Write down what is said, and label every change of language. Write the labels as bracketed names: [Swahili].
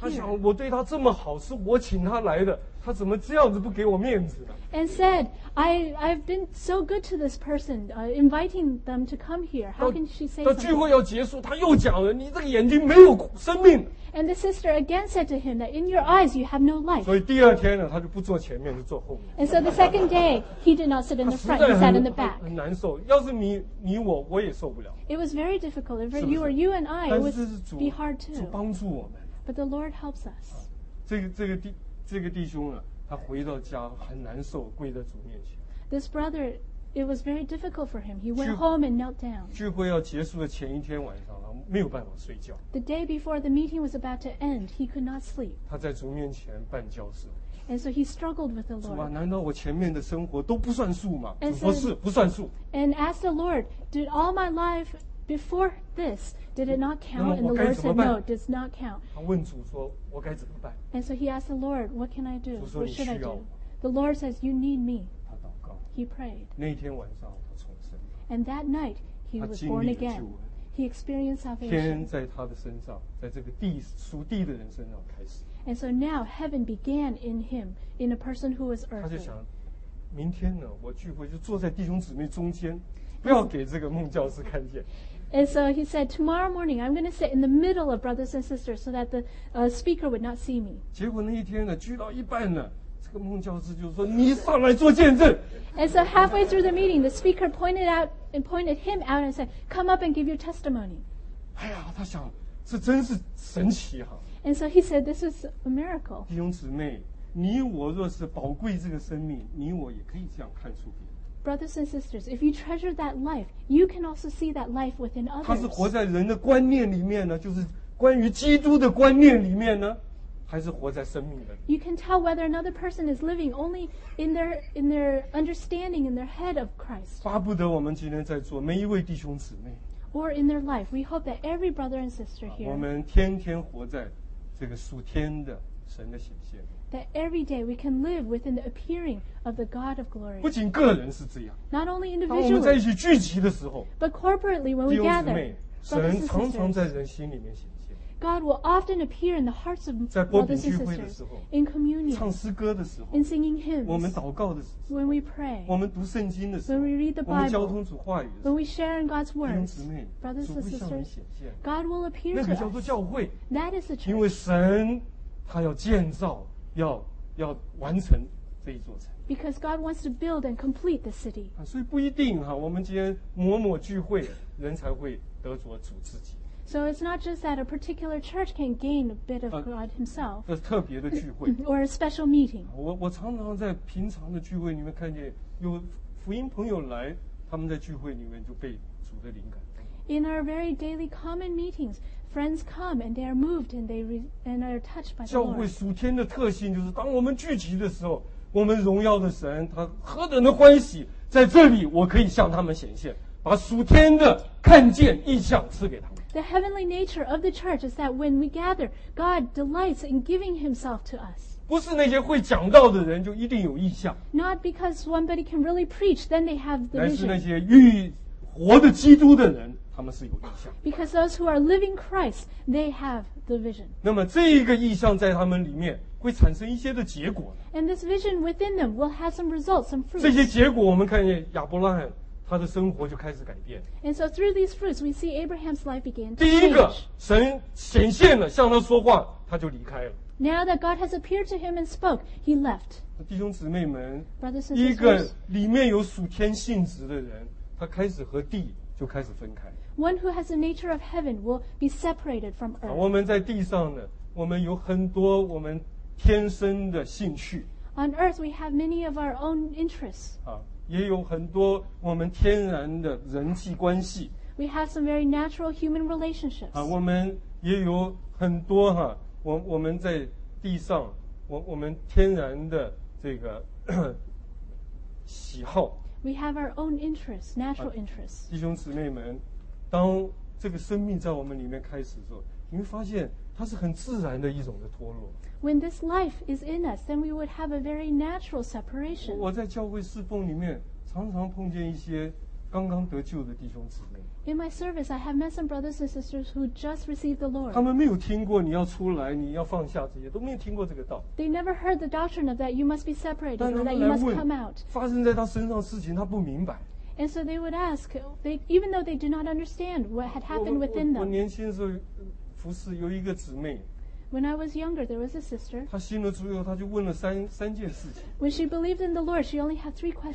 [Chinese] 他想，我对他这么好，是我请他来的。他怎么这样子不给我面子呢？ [English] And said, I've been so good to this person, inviting them to come here. How can she say something? [Chinese] 到聚会要结束，他又讲了，你这个眼睛没有生命。 [English] And the sister again said to him that in your eyes you have no life. [Chinese] 所以第二天呢，他就不坐前面，就坐后面。 [English] And so the second day, he did not sit in the front, he sat in the back. [Chinese] 很难受，要是你我也受不了。 [English] It was very difficult. If you were you and I, it would be hard too. [Chinese] 主帮助我们。 [English] But the Lord helps us. [Chinese] 这个弟兄呢，他回到家很难受，跪在主面前。 [English] This brother, it was very difficult for him. He went home and knelt down. [Chinese] 聚会要结束的前一天晚上，他没有办法睡觉。 [English] The day before the meeting was about to end, he could not sleep. [Chinese] 他在主面前办交涉。 [English] And so he struggled with the Lord. [Chinese] 主啊，难道我前面的生活都不算数吗？主说是不算数。 [English] And asked the Lord, did all my life before this, did it not count? And the Lord said, no, it does not count. 他问主说，我该怎么办？ And so he asked the Lord, what can I do? What should I do? The Lord says, you need me. [Chinese] 他祷告。 [English] He prayed. [Chinese] 那天晚上他重生。 [English] And that night, he was born again. He experienced salvation. [Chinese] 天在他的身上，在这个地，属地的人身上开始。 [English] And so now heaven began in him, in a person who was earthly. [Chinese] 他就想，明天呢，我聚会就坐在弟兄姊妹中间，不要给这个孟教师看见。 [English] And so he said, tomorrow morning, I'm going to sit in the middle of brothers and sisters so that the speaker would not see me. [Chinese] 结果那一天呢，聚到一半呢，这个孟教师就说，你上来做见证。 [English] And so halfway through the meeting, the speaker pointed him out and said, come up and give your testimony. [Chinese] 哎呀，他想，这真是神奇啊。 [English] And so he said, this is a miracle. [Chinese] 弟兄姊妹，你我若是宝贵这个生命，你我也可以这样看出别人。 [English] Brothers and sisters, if you treasure that life, you can also see that life within others. [Chinese] 他是活在人的观念里面呢，就是关于基督的观念里面呢，还是活在生命的？ [English] You can tell whether another person is living only in their understanding, in their head of Christ. [Chinese] 巴不得我们今天在座每一位弟兄姊妹， [English] or in their life, we hope that every brother and sister here, [Chinese] 我们天天活在这个属天的神的显现。 [English] That every day we can live within the appearing of the God of glory. [Chinese] 不仅个人是这样。 [English] Not only individually. [Chinese] 当我们在一起聚集的时候。 [English] But corporately when we gather. [Chinese] 弟兄姊妹，神常常在人心里面显现。 [English] God will often appear in the hearts of brothers and sisters in communion, [Chinese] 唱诗歌的时候, [English] in singing hymns, [Chinese] 我们祷告的时候, [English] when we pray, [Chinese] 我们读圣经的时候, [English] when we read the Bible, [Chinese] 我们交通主话语的时候, [English] when we share in God's word, [Chinese] 弟兄姊妹, [English] brothers and sisters, God will appear to us. [Chinese] 那个叫做教会, [English] that is the church. [Chinese] 因为神他要建造, 要完成这一座城。 [English] Because God wants to build and complete the city. [Chinese] 所以不一定哈, 我们今天抹抹聚会, 人才会得着主自己。 [English] So it's not just that a particular church can gain a bit of God himself, [Chinese] 特别的聚会, [English] or a special meeting. [Chinese] 我常常在平常的聚会里面看见有福音朋友来，他们在聚会里面就被主的灵感。 [English] In our very daily common meetings, friends come and they are moved and and are touched by the Lord. [Chinese] 教会属天的特性就是当我们聚集的时候，我们荣耀的神他何等的欢喜，在这里我可以向他们显现，把属天的看见意象赐给他们。 [English] The heavenly nature of the church is that when we gather, God delights in giving himself to us. [Chinese] 不是那些会讲道的人就一定有异象。 [English] Not because somebody can really preach, then they have the vision. [Chinese] 乃是那些与活的基督的人，他们是有异象。 [English] Because those who are living Christ, they have the vision. [Chinese] 那么这一个异象在他们里面会产生一些的结果。 [English] And this vision within them will have some results, some fruits. [Chinese] 这些结果我们看见亚伯拉罕他的生活就开始改变。 [English] And so through these fruits, we see Abraham's life began to change. [Chinese] 第一个，神显现了，向他说话，他就离开了。 [English] Now that God has appeared to him and spoke, he left. [Chinese] 弟兄姊妹们， [English] Brothers and sisters, [Chinese] 一个里面有属天性质的人，他开始和地就开始分开。 [English] One who has the nature of heaven will be separated from earth. [Chinese] 我们在地上呢，我们有很多我们天生的兴趣。 [English] On earth, we have many of our own interests. [Chinese] 也有很多我们天然的人际关系。 [English] We have some very natural human relationships. [Chinese] 我们也有很多哈，我们在地上，我们天然的这个喜好。 [English] We have our own interests, natural interests. [Chinese] 弟兄姊妹们，当这个生命在我们里面开始的时候，你会发现它是很自然的一种的脱落。 [English] When this life is in us, then we would have a very natural separation. [Chinese] 我在教会侍奉里面常常碰见一些刚刚得救的弟兄姊妹。 [English] In my service, I have met some brothers and sisters who just received the Lord. [Chinese] 他们没有听过你要出来，你要放下这些，都没有听过这个道。 [English] They never heard the doctrine of that you must be separated or that you must come out. [Chinese] 发生在他身上的事情，他不明白。 [English] And so they would ask, even though they do not understand what had happened within them. [Chinese] 我年轻的时候服侍有一个姊妹。 [English] When I was younger, there was a sister. [Chinese] 她信了主以后，她就问了三件事情。 [English] When she believed in the Lord, she only had three questions.